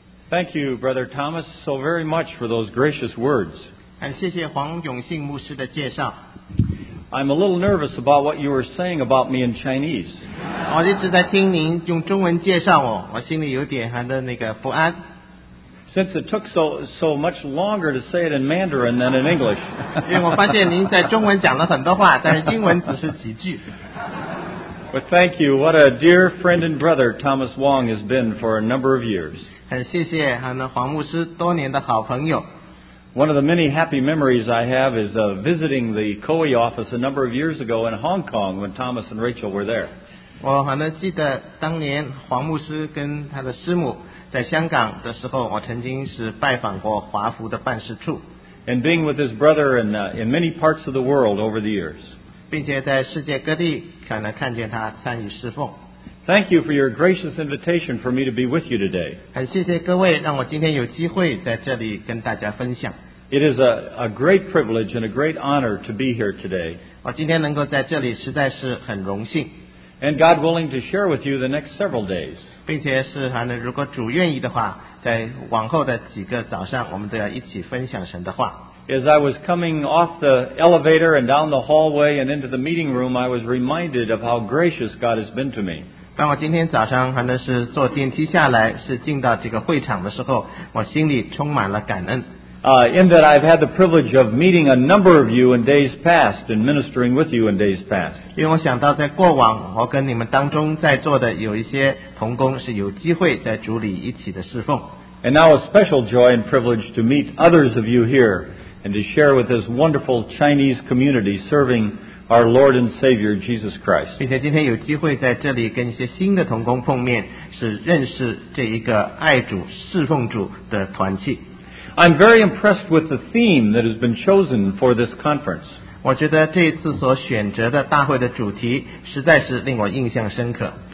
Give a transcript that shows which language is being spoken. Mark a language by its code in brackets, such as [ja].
[en] Thank you, Brother Thomas, so very much for those gracious words. [zh] 谢谢 黄永信牧师的介绍。 [en] I'm a little nervous about what you were saying about me in Chinese. [zh] 我一直在听您用中文介绍我，我心里有点还在那个不安。 [en] Since it took so much longer to say it in Mandarin than in English. [zh] 因为我发现您在中文讲了很多话，但是英文只是几句。 [en] But thank you. What a dear friend and brother Thomas Wong has been for a number of years. [zh] 谢谢黄牧师多年的好朋友。 [en] One of the many happy memories I have is visiting the COE office a number of years ago in Hong Kong when Thomas and Rachel were there. [zh] 我还能记得当年黄牧师跟他的师母在香港的时候，我曾经是拜访过华福的办事处。 [en] And being with his brother in many parts of the world over the years. [zh] 并且在世界各地可能看见他参与侍奉。 [en] Thank you for your gracious invitation for me to be with you today. [zh] 很谢谢各位让我今天有机会在这里跟大家分享。 [en] It is a great privilege and a great honor to be here today. [zh] 我今天能够在这里实在是很荣幸。 [en] And God willing to share with you the next several days. [zh] 并且是还能如果主愿意的话，在往后的几个早上，我们都要一起分享神的话。 [en] As I was coming off the elevator and down the hallway and into the meeting room, I was reminded of how gracious God has been to me. [zh] 当我今天早上还能是坐电梯下来，是进到这个会场的时候，我心里充满了感恩。 [en] In that I've had the privilege of meeting a number of you in days past and ministering with you in days past. [zh] 因为我想到在过往，我跟你们当中在座的有一些同工是有机会在主里一起的侍奉。 [en] And now a special joy and privilege to meet others of you here and to share with this wonderful Chinese community serving our Lord and Savior Jesus Christ. [zh] 并且今天有机会在这里跟一些新的同工碰面，是认识这一个爱主、侍奉主的团契。 [en] I'm very impressed with the theme that has been chosen for this conference. [zh] 我觉得这一次所选择的大会的主题实在是令我印象深刻。